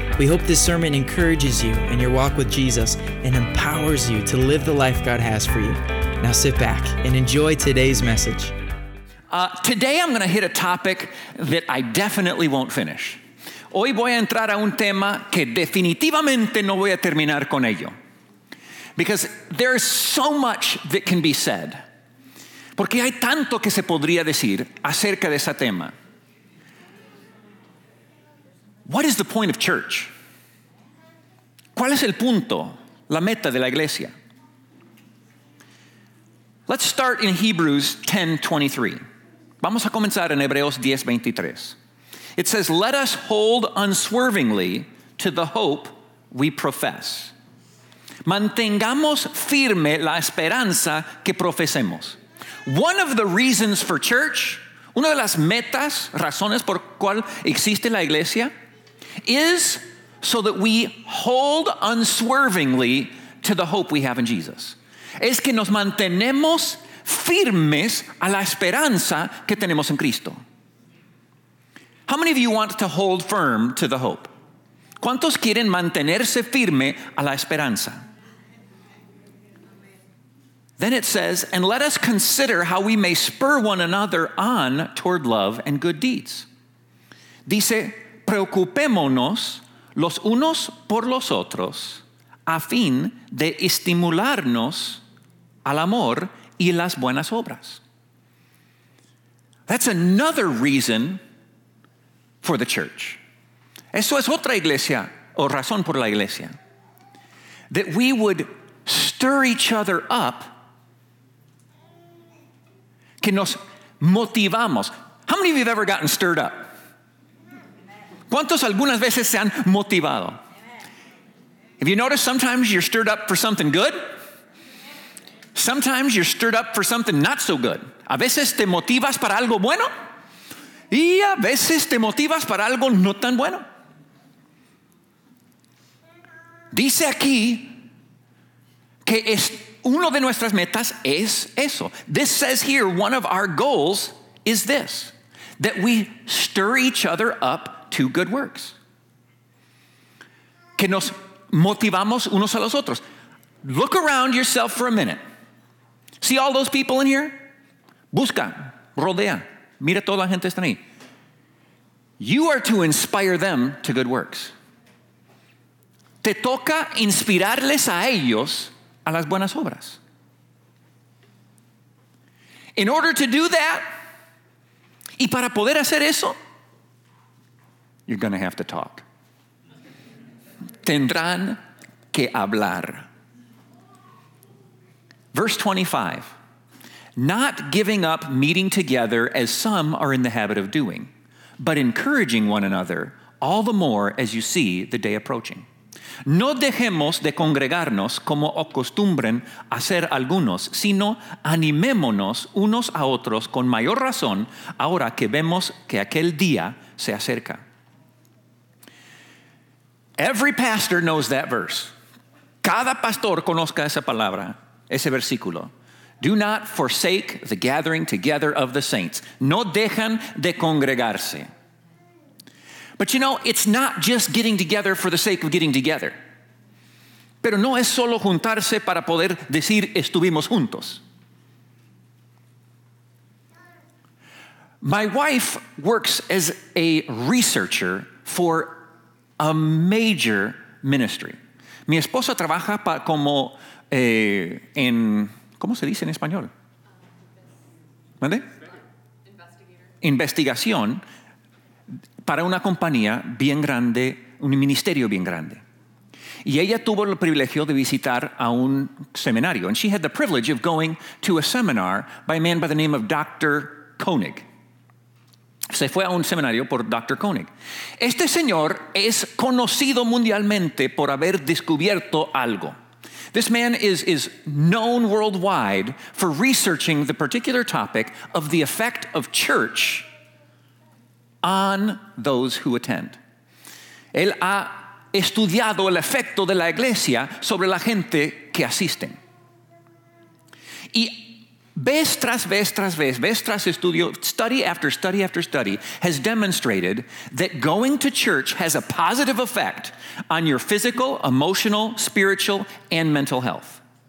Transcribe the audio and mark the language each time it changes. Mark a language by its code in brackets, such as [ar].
[en] We hope this sermon encourages you in your walk with Jesus and empowers you to live the life God has for you. Now sit back and enjoy today's message. Today I'm going to hit a topic that I definitely won't finish. [es] Hoy voy a entrar a un tema que definitivamente no voy a terminar con ello. [en] Because there is so much that can be said. [es] Porque hay tanto que se podría decir acerca de ese tema. [en] What is the point of church? [es] ¿Cuál es el punto, la meta de la iglesia? [en] Let's start in Hebrews 10:23. [es] Vamos a comenzar en Hebreos 10:23. [en] It says, "Let us hold unswervingly to the hope we profess." [es] Mantengamos firme la esperanza que profesemos. [en] One of the reasons for church, [es] una de las metas, razones por cual existe la iglesia, [en] is so that we hold unswervingly to the hope we have in Jesus. [es] Es que nos mantenemos firmes a la esperanza que tenemos en Cristo. [en] How many of you want to hold firm to the hope? [es] ¿Cuántos quieren mantenerse firme a la esperanza? [en] Then it says, "And let us consider how we may spur one another on toward love and good deeds." [es] Dice, "Preocupémonos los unos por los otros a fin de estimularnos al amor y las buenas obras." [en] That's another reason for the church. [es] Eso es otra iglesia o razón por la iglesia. [en] That we would stir each other up. [es] Que nos motivamos. [en] How many of you have ever gotten stirred up? [es] ¿Cuántos algunas veces se han motivado? [en] Have you noticed sometimes you're stirred up for something good? Sometimes you're stirred up for something not so good. [es] A veces te motivas para algo bueno y a veces te motivas para algo no tan bueno. Dice aquí que es uno de nuestras metas es eso. [en] This says here, one of our goals is this, that we stir each other up to good works. [es] Que nos motivamos unos a los otros. [en] Look around yourself for a minute. See all those people in here? [es] Busca, rodea. Mira toda la gente está ahí. [en] You are to inspire them to good works. [es] Te toca inspirarles a ellos a las buenas obras. [en] In order to do that, [es] y para poder hacer eso, [en] you're going to have to talk. [es] Tendrán que hablar. [en] Verse 25, "Not giving up meeting together as some are in the habit of doing, but encouraging one another all the more as you see the day approaching." [es] No dejemos de congregarnos como acostumbren hacer algunos, sino animémonos unos a otros con mayor razón ahora que vemos que aquel día se acerca. [en] Every pastor knows that verse. [es] Cada pastor conozca esa palabra, ese versículo. [en] Do not forsake the gathering together of the saints. [es] No dejan de congregarse. [en] But you know, it's not just getting together for the sake of getting together. [es] Pero no es solo juntarse para poder decir estuvimos juntos. [en] My wife works as a researcher for a major ministry. [es] Mi esposa trabaja como en, ¿cómo se dice en español? ¿Mande? Investigator. Investigación. Para una compañía bien grande, un ministerio bien grande. Y ella tuvo el privilegio de visitar a un seminario. [en] And she had the privilege of going to a seminar by a man by the name of Dr. [es] Koenig. Se fue a un seminario por Dr. Koenig. Este señor es conocido mundialmente por haber descubierto algo. [en] This man is known worldwide for researching the particular topic of the effect of church on those who attend. [es] Él ha estudiado el efecto de la iglesia sobre la gente que asisten. Y vez tras estudio, [en] study after study after study, has demonstrated that going to church has a positive effect on your physical, emotional, spiritual, and mental health.